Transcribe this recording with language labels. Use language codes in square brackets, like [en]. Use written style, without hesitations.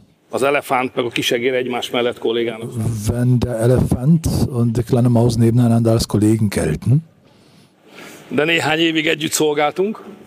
[hu] Az elefánt meg a kisegér egymás mellett kollégának. [de] Wenn der Elefant und die kleine Maus nebeneinander als Kollegen gelten. [hu] De néhány évig együtt szolgáltunk.